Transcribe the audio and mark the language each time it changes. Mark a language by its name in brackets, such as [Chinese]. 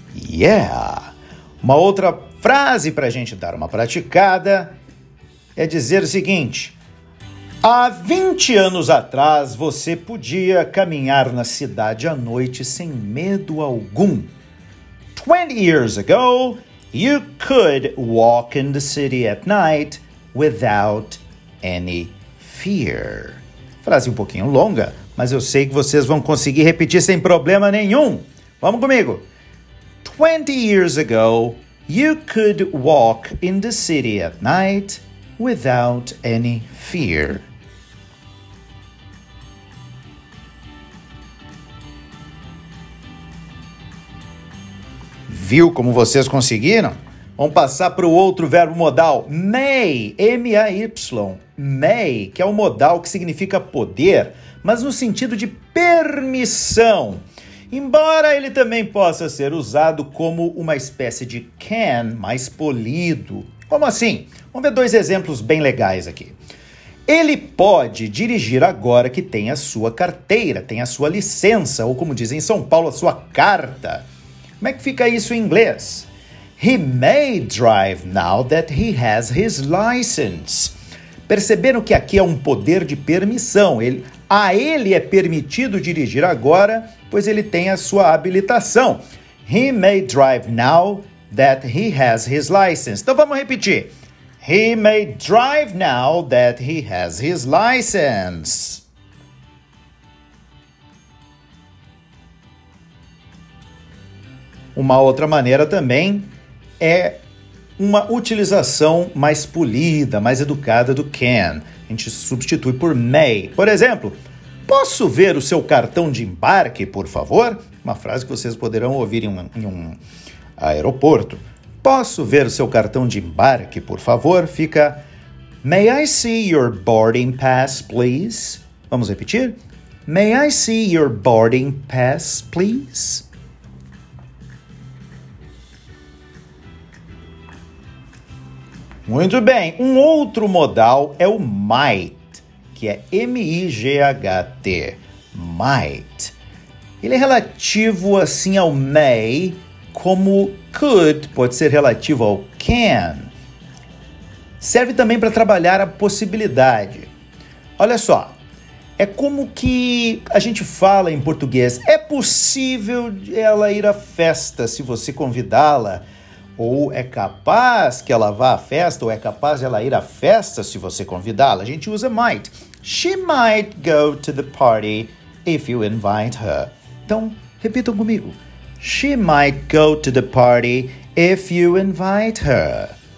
[Portuguese] Yeah! Uma outra frase para a gente dar uma praticada é dizer o seguinte. Há 20 anos atrás, você podia caminhar na cidade à noite sem medo algum. [English] 20 years ago, you could walk in the city at night without any fear. [Portuguese] Frase um pouquinho longa, mas eu sei que vocês vão conseguir repetir sem problema nenhum. Vamos comigo! [English] 20 years ago, you could walk in the city at night without any fear. [Portuguese] Viu como vocês conseguiram? Vamos passar para o outro verbo modal. [English] May, M-A-Y. [Portuguese] May, que é um modal que significa poder, mas no sentido de permissão. Embora ele também possa ser usado como uma espécie de can mais polido. Como assim? Vamos ver dois exemplos bem legais aqui. Ele pode dirigir agora que tem a sua carteira, tem a sua licença, ou como dizem em São Paulo, a sua carta. Como é que fica isso em inglês? [English] He may drive now that he has his license. [Portuguese] Perceberam que aqui é um poder de permissão. A ele é permitido dirigir agora, pois ele tem a sua habilitação. [English] He may drive now that he has his license. [Portuguese] Então vamos repetir. [English] He may drive now that he has his license. [Portuguese] Uma outra maneira também é uma utilização mais polida, mais educada do can. A gente substitui por may. Por exemplo, posso ver o seu cartão de embarque, por favor? Uma frase que vocês poderão ouvir em um aeroporto. Posso ver o seu cartão de embarque, por favor? [English] Fica, may I see your boarding pass, please? [Portuguese] Vamos repetir? [English] May I see your boarding pass, please? [Portuguese] Muito bem. Um outro modal é o might, que é M-I-G-H-T. Might. Ele é relativo, assim, ao may, como could pode ser relativo ao can. Serve também para trabalhar a possibilidade. Olha só, é como que a gente fala em português. É possível ela ir à festa se você convidá-la? Ou é capaz que ela vá à festa? Ou é capaz ela ir à festa se você convidá-la? A gente usa might. [English] She might go to the party if you invite her. [Portuguese] Então, repitam comigo. [English] She might go to the party if you invite her.